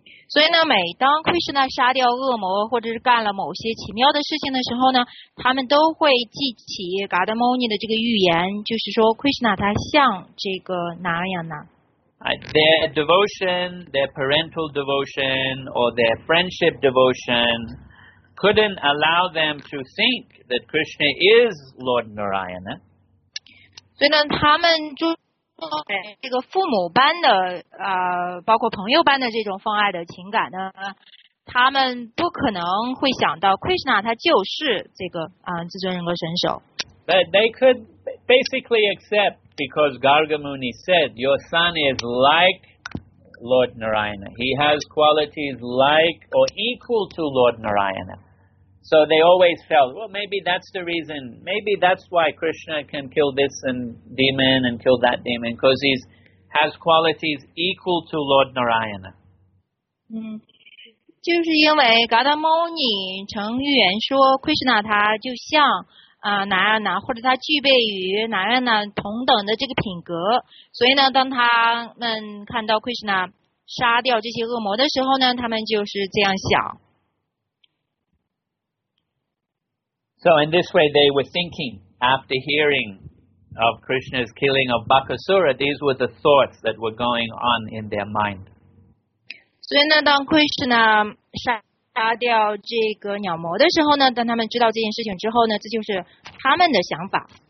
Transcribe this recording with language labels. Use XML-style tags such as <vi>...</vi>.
<zh>所以呢，每当 Krishna 杀掉恶魔或者是干了某些奇妙的事情的时候呢，他们都会记起 Gargamuni 的这个预言，就是说 Krishna 他像这个 Narayana。</zh> <en>Their devotion, their parental devotion, or their friendship devotion,couldn't allow them to think that Krishna is Lord Narayana.</en> <zh>所以呢，他们就这个父母般的包括朋友般的这种父爱的情感呢，他们不可能会想到 Krishna 他就是这个至尊人格神手。</zh> <en>But they could basically accept because Gargamuni said your son is like Lord Narayana. He has qualities like or equal to Lord Narayana. So they always felt, well, maybe that's the reason. Maybe that's why Krishna can kill this and demon and kill that demon, because he has qualities equal to Lord Narayana.</en> <zh>就是因为 Gautam Oni 曾预言说 Krishna 他就像Narayana, 或者他具备与 Narayana 同等的这个品格。所以呢，当他们看到 Krishna 杀掉这些恶魔的时候呢，他们就是这样想。</zh> <en>So in this way, they were thinking after hearing of Krishna's killing of Bakasura, these were the thoughts that were going on in their mind.</en> <zh>所以呢，当 Krishna 杀杀掉这个鸟魔的时候呢，当他们知道这件事情之后呢，这就是他们的想法。</zh>